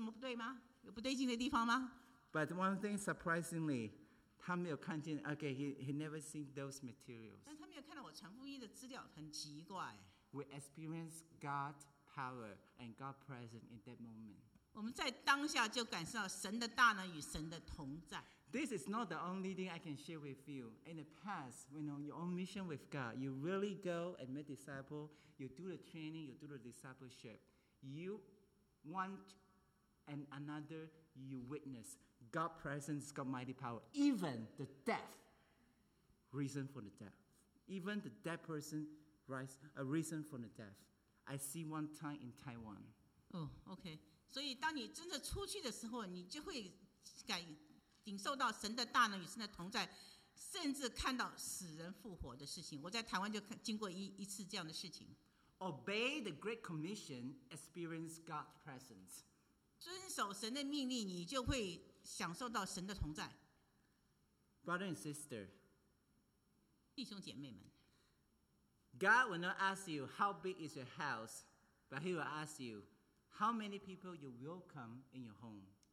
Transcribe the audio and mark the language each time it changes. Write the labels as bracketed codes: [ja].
[zh] 所以我的妇女同工就说，这有什么不对吗？有不对劲的地方吗？ [en] But one thing surprisingly, [zh] 他没有看见， [en] okay, he never seen those materials. [zh] 但他没有看到我传福音的资料，很奇怪。 [en] We experience God's power and God's presence in that moment. [zh] 我们在当下就感受到神的大能与神的同在。 [en] This is not the only thing I can share with you. In the past, when on your own mission with God, you really go and make disciples, you do the training, you do the discipleship. You want and another, you witness God's presence, God's mighty power, even the death, reason for the death. Even the dead person, rise, a reason for the death. I see one time in Taiwan. Oh, okay. [zh] 所以当你真的出去的时候，你就会感 领受到神的大能与神的同在，甚至看到死人复活的事情。我在台湾就经过一次这样的事情。 [en] Obey the Great Commission, experience God's presence. [zh] 遵守神的命令，你就会享受到神的同在。 [en] Brother and sister, [zh] 弟兄姐妹们， [en] God will not ask you how big is your house, but He will ask you how many people you welcome in your home.